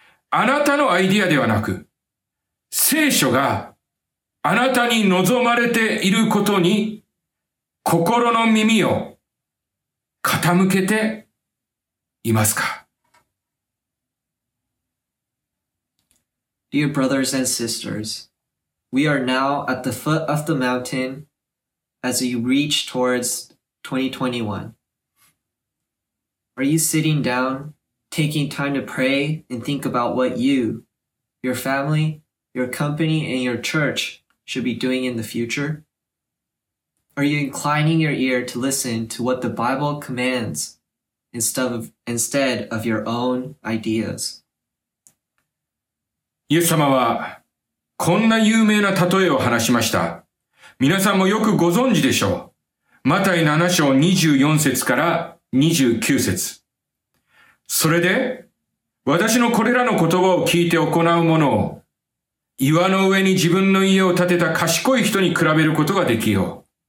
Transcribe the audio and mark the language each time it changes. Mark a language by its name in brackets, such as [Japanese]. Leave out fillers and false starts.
[Japanese] あなたのアイディアではなく、聖書があなたに望まれていることに心の耳を傾けていますか？ [English] Dear brothers and sisters, we are now at the foot of the mountain as you reach towards 2021. Are you sitting down? Taking time to pray and think about what you, your family, your company, and your church should be doing in the future? Are you inclining your ear to listen to what the Bible commands instead of your own ideas? [Japanese] イエス様はこんな有名な例えを話しました。皆さんもよくご存知でしょう。マタイ7章24節から29節。それで、私のこれらの言葉を聞いて行う者を、岩の上に自分の家を建てた賢い人に比べることができよう。